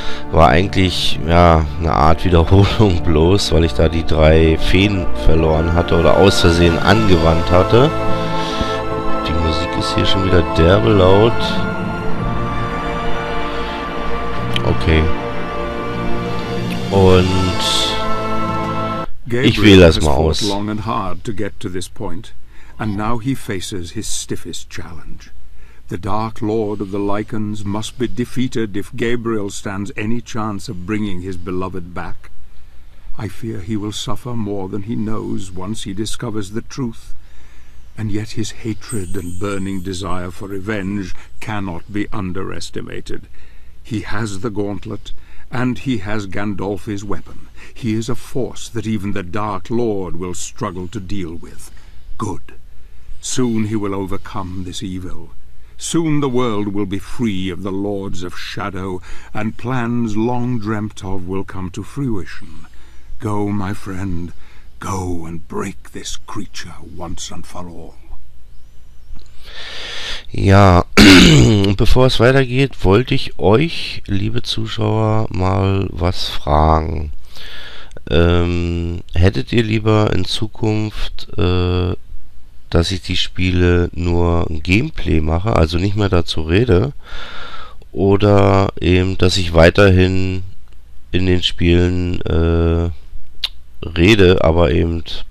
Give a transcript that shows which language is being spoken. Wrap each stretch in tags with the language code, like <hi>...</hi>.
<de>War eigentlich, ja, eine Art Wiederholung bloß, weil ich da die drei Feen verloren hatte oder aus Versehen angewandt hatte. Die Musik ist hier schon wieder derbe laut. Okay. Und ich wähle das mal aus.</de> <en>Long and hard to get to this point, and now he faces his stiffest challenge. The Dark Lord of the Lycans must be defeated if Gabriel stands any chance of bringing his beloved back. I fear he will suffer more than he knows once he discovers the truth, and yet his hatred and burning desire for revenge cannot be underestimated. He has the gauntlet, and he has Gandalf's weapon. He is a force that even the Dark Lord will struggle to deal with. Good. Soon he will overcome this evil. Soon the world will be free of the Lords of Shadow, and plans long dreamt of will come to fruition. Go, my friend, go and break this creature once and for all.</en> <de>Ja, bevor es weitergeht, wollte ich euch, liebe Zuschauer, mal was fragen. Hättet ihr lieber in Zukunft, dass ich die Spiele nur Gameplay mache, also nicht mehr dazu rede, oder eben, dass ich weiterhin in den Spielen rede, aber eben...</de>